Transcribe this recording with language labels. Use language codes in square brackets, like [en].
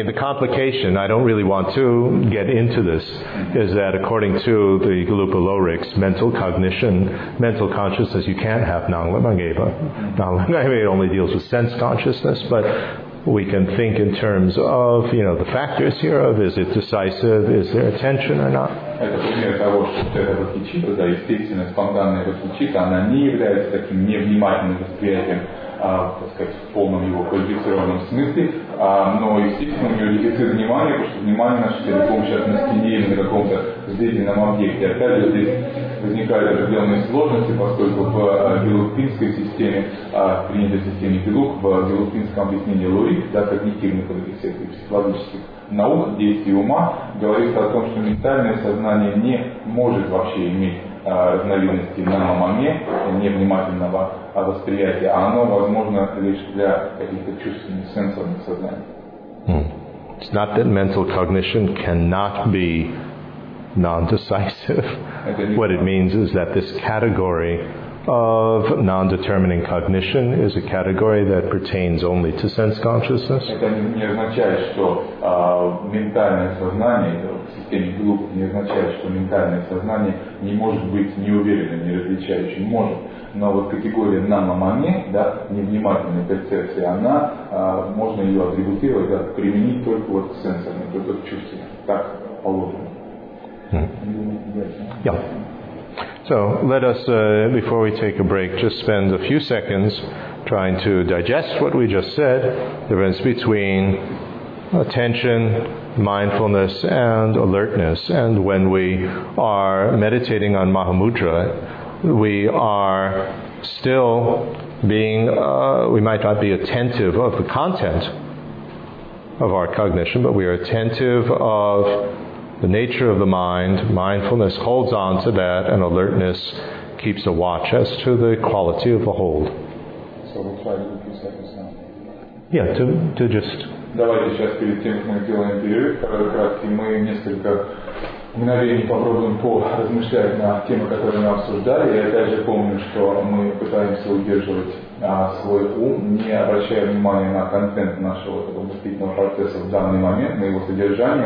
[en] I mean, the complication, I don't really want to get into this, is that according to the Galupa Lorics, mental cognition, mental consciousness, you can't have nanglamangeba. Nanglamangeba only deals with sense consciousness, but we can think in terms of, you know, the factors here of, is it decisive, is there attention or not? [ru] Это пример того, что эта бодхичитта, да, естественно, спонтанная бодхичитта, она не является таким невнимательным восприятием, так сказать, в полном его квалифицированном смысле, но, естественно, у нее дефицит внимания, потому что внимание наше целиком сейчас на стене или на каком-то зрительном объекте. Опять же, здесь возникают определенные сложности, поскольку в гелупинской системе, в гелупинском объяснении лорик, да, когнитивных и психологических наук, действий ума, говорится о том, что ментальное сознание не может вообще иметь разновидности на маме, невнимательного восприятия, а оно возможно лишь для каких-то чувственных, сенсорных сознаний. [en] It's not that mental cognition cannot be non-decisive. What it means is that this category of non-determining cognition is a category that pertains only to sense consciousness. [ru] Это не означает, что ментальное сознание, в системе глуп, не означает, что ментальное сознание не может быть неуверенным, неразличающим, может. Но вот категория намамане, да, невнимательная перцепция, она, можно ее атрибутировать, да, применить только вот к сенсорам, только к чувствам, так положено. [en] So let us, before we take a break, just spend a few seconds trying to digest what we just said, the difference between attention, mindfulness, and alertness. And when we are meditating on Mahamudra, we are still being, we might not be attentive of the content of our cognition, but we are attentive of the nature of the mind. Mindfulness holds on to that, and alertness keeps a watch as to the quality of the hold. So we'll try to do a few seconds now. Yeah, to just... [ru] Давайте сейчас перед тем, как мы делаем перерыв, кратко, мы несколько мгновений попробуем поразмышлять на темы, которые мы обсуждали. Я опять же помню, что мы пытаемся удерживать свой ум, не обращая внимания на контент нашего воспитательного процесса в данный момент, на его содержание.